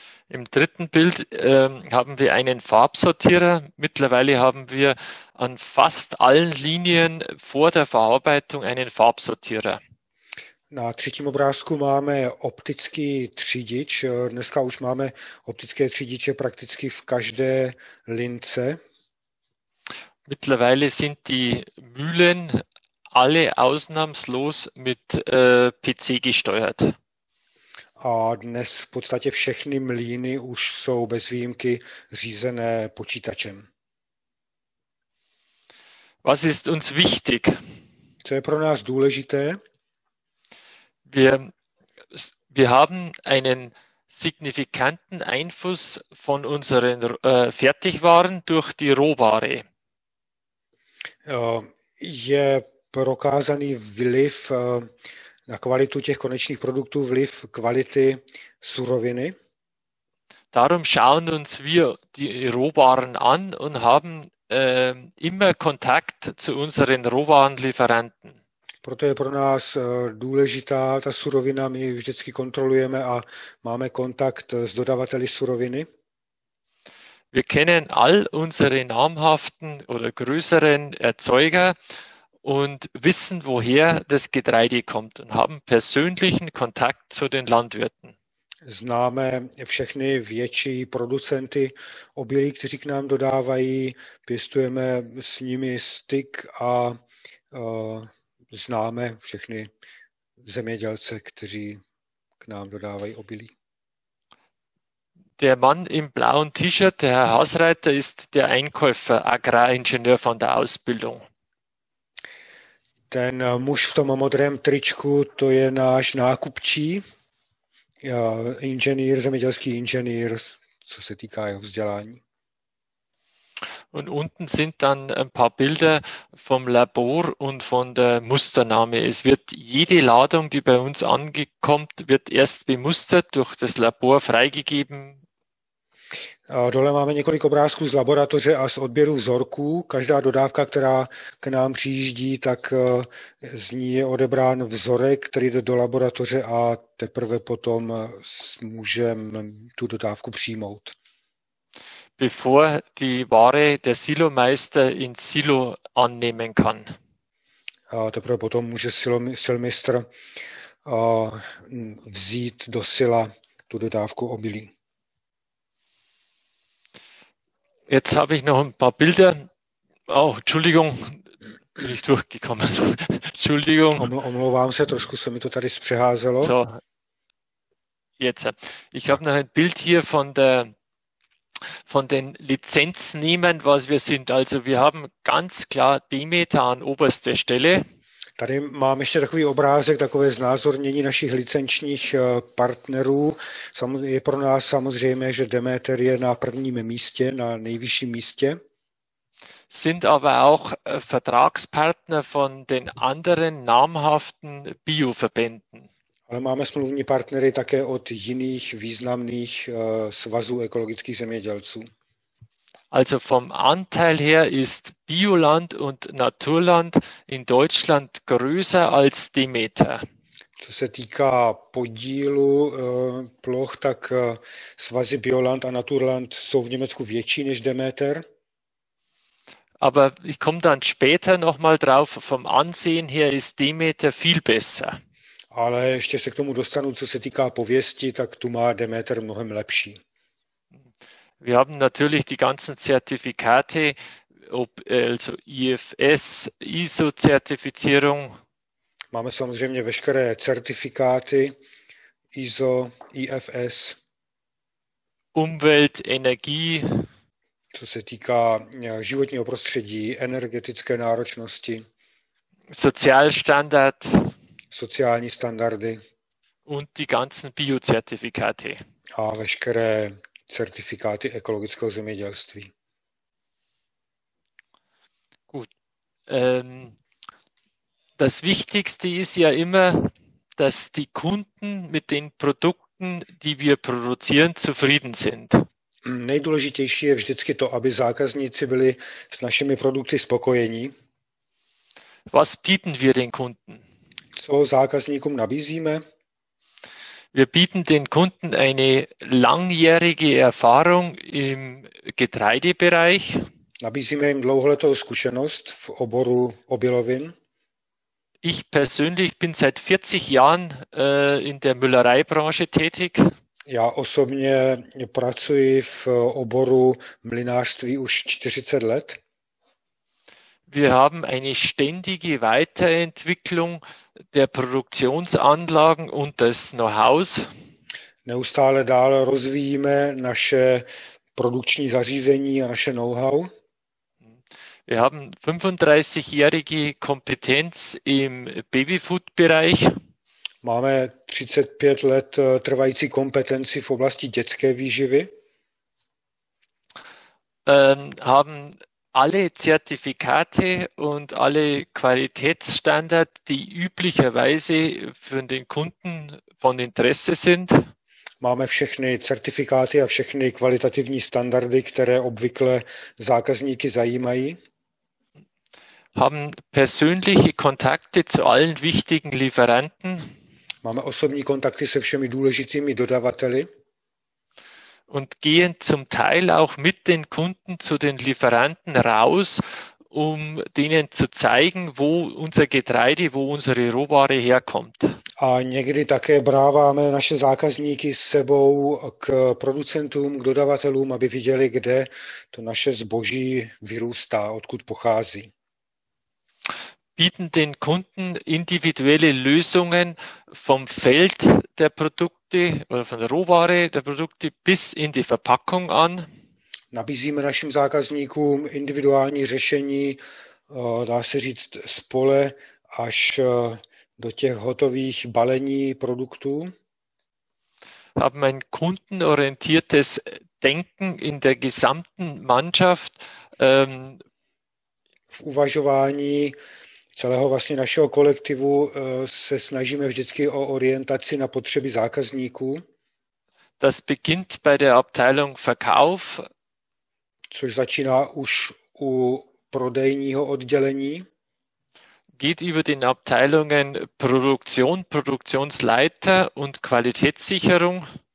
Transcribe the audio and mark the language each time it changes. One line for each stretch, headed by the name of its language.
German: Im dritten Bild haben wir einen Farbsortierer. Mittlerweile haben wir an fast allen Linien vor der Verarbeitung einen Farbsortierer.
Czech: Na třetím obrázku máme optický třídič. Dneska už máme optické třídiče prakticky v každé lince.
German: Mittlerweile sind die Mühlen alle ausnahmslos mit PC gesteuert.
Czech: A dnes v podstatě všechny mlýny už jsou bez výjimky řízené počítačem.
German: Was ist uns wichtig?
Czech: Co je pro nás důležité?
German: Wir haben einen signifikanten Einfluss von unseren Fertigwaren durch die Rohware.
Czech: Je prokázaný vliv na kvalitu těch konečných produktů, vliv kvality suroviny.
German: Darum schauen uns wir die Rohwaren an und haben immer Kontakt zu unseren Rohwarenlieferanten.
Czech: Proto je pro nás důležitá ta surovina, my vždycky kontrolujeme a máme kontakt s dodavateli suroviny.
German: Wir kennen all unsere namhaften oder größeren Erzeuger und wissen, woher das Getreide kommt und haben persönlichen Kontakt zu den Landwirten.
Czech: Známe všechny větší producenty obilí, kteří k nám dodávají, pěstujeme s nimi styk a známe všechny zemědělce, kteří k nám dodávají obilí.
German: Der Mann im blauen T-Shirt, der Herr Hausreiter, ist der Einkäufer, Agraringenieur von der Ausbildung.
Czech: Ten muž v tom modrém tričku, to je náš nákupčí, inženýr, zemědělský inženýr, co se týká jeho vzdělání.
German: Und unten sind dann ein paar Bilder vom Labor und von der Musternahme. Es wird jede Ladung, die bei uns angekommt, wird erst bemustert, durch das Labor freigegeben.
Czech: Dole máme několik obrázků z laboratoře a z odběru vzorků. Každá dodávka, která k nám přijíždí, tak z ní je odebrán vzorek, který jde do laboratoře a teprve potom můžeme tu dodávku přijmout.
German: Bevor die Ware der Silomeister in Silo annehmen kann.
Czech: A teprve potom může silmistr vzít do sila tu dodávku obilí.
German: Jetzt habe ich noch ein paar Bilder. Oh, Entschuldigung, bin ich durchgekommen. Entschuldigung.
Czech: Omlouvám se, trošku se mi to tady přeházelo.
German: So. Jetzt. Ich habe noch ein Bild hier von der von den Lizenznehmern, was wir sind. Also wir haben ganz klar Demeter an oberster Stelle.
Czech: Tady mám ještě takový obrázek, takové znázornění našich licenčních partnerů. Je pro nás samozřejmé, že Demeter je na prvním místě, na nejvyšším místě.
German: Sind aber auch Vertragspartner von den anderen namhaften Bioverbänden.
Czech: Ale máme smluvní partnery také od jiných významných svazů ekologických zemědělců.
German: Also vom Anteil her ist Bioland und Naturland in Deutschland größer als Demeter.
Czech: Co se týká podílu ploch, tak svazy Bioland a Naturland jsou v Německu větší než Demeter.
German: Aber ich komme dann später nochmal drauf, vom Ansehen her ist Demeter viel besser.
Czech: Ale ještě se k tomu dostanu, co se týká pověsti, tak tu má Demeter mnohem lepší.
German: Wir haben natürlich die ganzen Zertifikate, ob also IFS, ISO-Zertifizierung.
Czech: Máme samozřejmě veškeré certifikáty ISO, IFS.
German: Umwelt, Energie.
Czech: co se týká životního prostředí, energetické náročnosti,
German: Sozialstandard,
Czech: sociální standardy
German: und die ganzen Biozertifikate.
Czech: A veškeré certifikáty ekologického zemědělství.
German: Gut. Das Wichtigste ist ja immer, dass die Kunden mit den Produkten, die wir produzieren, zufrieden sind.
Czech: Nejdůležitější je vždycky to, aby zákazníci byli s našimi produkty spokojení.
German: Was bieten wir den Kunden?
Czech: Co zákazníkům nabízíme?
German: Wir bieten den Kunden eine langjährige Erfahrung im Getreidebereich.
Czech: Nabízíme jim dlouholetou zkušenost v oboru obilovin.
German: Ich persönlich bin seit 40 Jahren in der Müllereibranche tätig.
Czech: Já osobně pracuji v oboru mlynářství už 40 let.
German: Wir haben eine ständige Weiterentwicklung der Produktionsanlagen und des Know-hows.
Czech: Neustále dál rozvíjíme naše produkční zařízení a naše Know-how.
German: Wir haben 35-jährige Kompetenz im Babyfood-Bereich.
Czech: Máme 35 let trvající kompetenci v oblasti dětské výživy.
German: Haben alle Zertifikate und alle Qualitätsstandards, die üblicherweise für den Kunden von Interesse sind.
Czech: Máme všechny certifikáty a všechny kvalitativní standardy, které obvykle zákazníky zajímají.
German: Haben persönliche Kontakte zu allen wichtigen Lieferanten.
Czech: Máme osobní kontakty se všemi důležitými dodavateli.
German: Und gehen zum Teil auch mit den Kunden zu den Lieferanten raus, um denen zu zeigen, wo unser Getreide, wo unsere Rohware herkommt.
Czech: A někdy také bráváme naše zákazníky s sebou k producentům, k dodavatelům, aby viděli, kde to naše zboží vyrůstá, odkud pochází.
German: Bieten den Kunden individuelle Lösungen vom Feld der Produkte oder von der Rohware der Produkte bis in die Verpackung an.
Czech: Nabízíme našim zákazníkům individuální řešení, dá se říct, z pole až do těch hotových balení produktů.
German: Haben ein kundenorientiertes Denken in der gesamten Mannschaft.
Czech: V uvažování celého vlastně našeho kolektivu se snažíme vždycky o orientaci na potřeby zákazníků.
German: Das beginnt bei der Abteilung Verkauf,
Czech: což začíná už u prodejního oddělení.
German: Geht über den Abteilungen Produktion, Produktionsleiter und Qualitätssicherung.